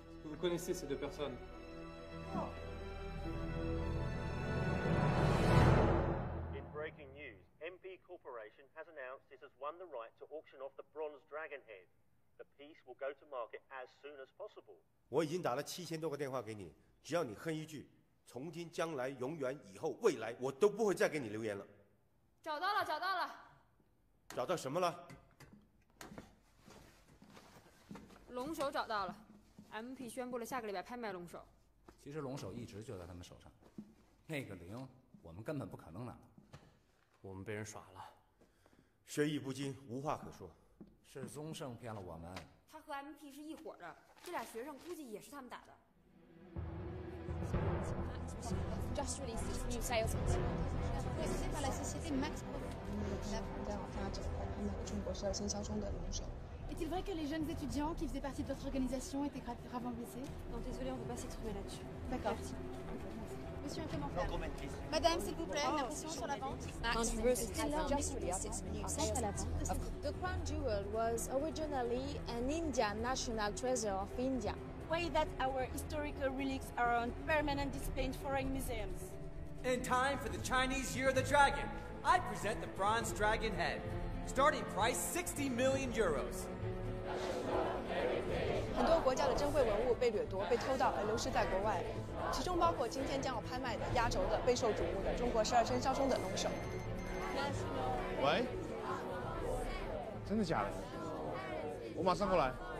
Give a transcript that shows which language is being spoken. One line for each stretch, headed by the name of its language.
French: Vous connaissez ces deux personnes?
English: In breaking news, MP Corporation has announced it has won the right to auction off the bronze dragon head. The piece will go to market as soon as possible.
Chinese: 我已经打了7000多个电话给你，只要你哼一句，从今将来永远以后未来，我都不会再给你留言了。找到了，找到了。找到什么了？龙首找到了 ，MP 宣布了下个礼拜拍卖龙首。其实龙首一直就在他们手上，那个零我们根本不可能拿到。我们被人耍了，学艺不精，无话可说。是宗盛骗了我们。他和 MP 是一伙的，这俩学生估计也是他们打的。
English: Just released its new sales quota.
French: Est-il vrai que les jeunes étudiants qui faisaient partie de votre organisation étaient gravement blessés? Non, désolé, on ne peut pas s'exprimer là-dessus. D'accord. Monsieur, comment faire? Madame, s'il vous plaît, une pression sur la vente.
English: The crown jewel was originally an Indian national treasure of India. Why that our historical relics are on permanent display in foreign museums? In time for the Chinese Year of the Dragon, I present the bronze dragon head. Starting price 60 million euros.
Chinese: 很多国家的珍贵文物被掠夺、被偷盗而流失在国外，其中包括今天将要拍卖的压轴的、备受瞩目的中国十二生肖中的龙首。喂，真的假的？我马上过来。